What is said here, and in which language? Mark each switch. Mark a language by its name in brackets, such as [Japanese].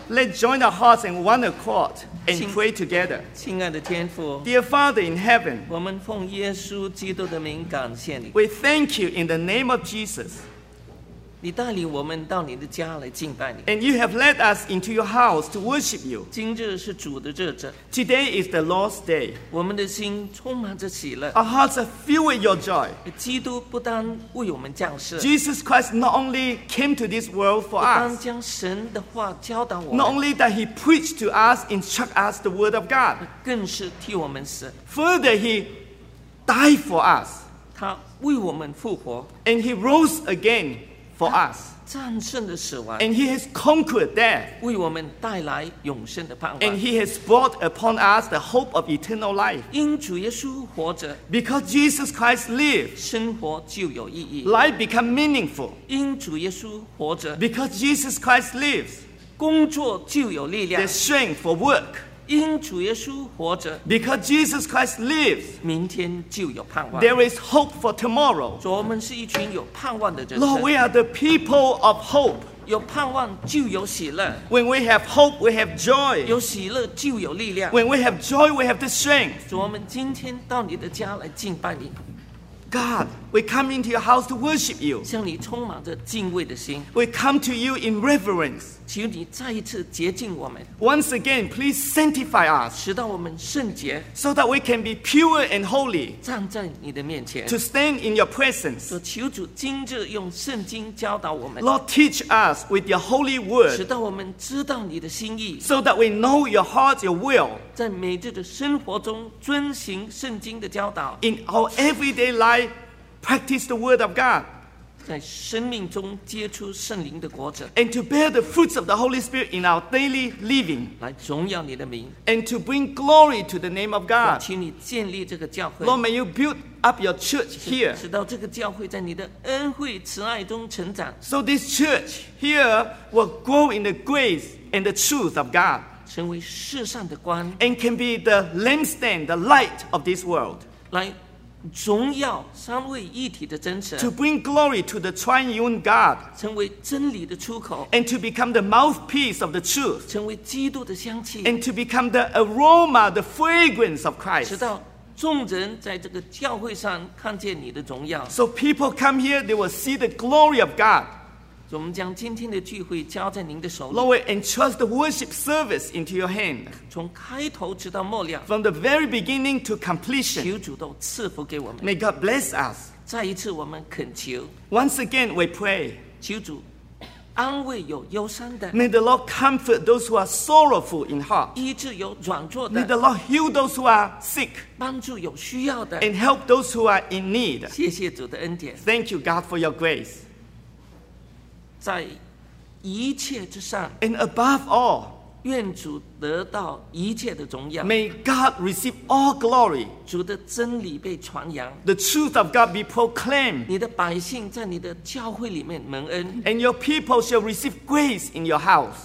[English] Let's join our hearts in one accord and pray together. [Chinese] 亲爱的天父。 [English] Dear Father in heaven. [Chinese] 我们奉耶稣基督的名感谢你。 [English] We thank you in the name of Jesus. [Chinese] 你带领我们到你的家来敬拜你。 [English] And you have led us into your house to worship you. [Chinese] 今日是主的日子。 [English] Today is the Lord's day. [Chinese] 我们的心充满着喜乐。 [English] Our hearts are filled with your joy. [Chinese] 基督不单为我们降世。 [English] Jesus Christ not only came to this world for us. [Chinese] 不单将神的话教导我们。 [English] Not only that he preached to us, instruct us the word of God. [Chinese] 更是替我们死。 [English] Further, he died for us. [Chinese] 他为我们复活。 [English] And he rose again. For us, [Chinese] 战胜了死亡, [English] and He has conquered death, [Chinese] 为我们带来永生的盼望, [English] and He has brought upon us the hope of eternal life. [Chinese] 因主耶稣活着, [English] because Jesus Christ lived, [Chinese] 生活就有意义, [English] life become meaningful. [Chinese] 因主耶稣活着, [English] because Jesus Christ lives, [Chinese] 工作就有力量, [English] the strength for work. [Chinese] 因主耶稣活着, [English] because Jesus Christ lives, [Chinese] 明天就有盼望。 [English] There is hope for tomorrow. [Chinese] 主，我们是一群有盼望的人。 [English] Lord, we are the people of hope. [Chinese] 有盼望就有喜乐。 [English] When we have hope, we have joy. [Chinese] 有喜乐就有力量。 [English] When we have joy, we have the strength. [Chinese] 主，我们今天到你的家来敬拜你。 [English] God, we come into your house to worship you. [Chinese] 向你充满着敬畏的心。 [English] We come to you in reverence. [Chinese] 求你再一次洁净我们。 [English] Once again, please sanctify us. [Chinese] 使到我们圣洁。 [English] So that we can be pure and holy. [Chinese] 站在你的面前。 [English] To stand in your presence. [Chinese] 所求主今日用圣经教导我们。 [English] Lord, teach us with your holy word. [Chinese] 使到我们知道你的心意。 [English] So that we know your heart, your will. [Chinese] 在每日的生活中遵行圣经的教导。 [English] In our everyday life, practice the word of God. [Chinese] 在生命中结出圣灵的果子。 [English] And to bear the fruits of the Holy Spirit in our daily living. [Chinese] 来荣耀你的名。 [English] And to bring glory to the name of God. [Chinese] 请你建立这个教会。 [English] Lord, may you build up your church here. [Chinese] 使到这个教会在你的恩惠慈爱中成长。 [English] So this church here will grow in the grace and the truth of God. [Chinese] 成为世上的光 [English] and can be the lampstand, the light of this world. [Chinese] 来荣耀三位一体的真神 [English] to bring glory to the triune God. [Chinese] 成为真理的出口 [English] and to become the mouthpiece of the truth. [Chinese] 成为基督的香气 [English] and to become the aroma, the fragrance of Christ. [Chinese] 直到众人在这个教会上看见你的荣耀 [English] So people come here, they will see the glory of God. [Chinese] 我们将今天的聚会交在您的手里。 [English] Lord, we entrust the worship service into your hand. [Chinese] 从开头直到末了。 [English] From the very beginning to completion. [Chinese] 求主都赐福给我们。 [English] May God bless us. [Chinese] 再一次我们恳求。 [English] Once again, we pray. [Chinese] 求主安慰有忧伤的。 [English] May the Lord comfort those who are sorrowful in heart. [Chinese] 医治有软弱的。 [English] May the Lord heal those who are sick. [Chinese] 帮助有需要的。 [English] And help those who are in need. [Chinese] 谢谢主的恩典。 [English] Thank you, God, for your grace. [Chinese] 在一切之上 [English] and above all, [Chinese] 愿主得到一切的荣耀 [English] may God receive all glory, [Chinese] 主的真理被传扬 [English] the truth of God be proclaimed, [Chinese] 你的百姓在你的教会里面蒙恩 [English] and your people shall receive grace in your house,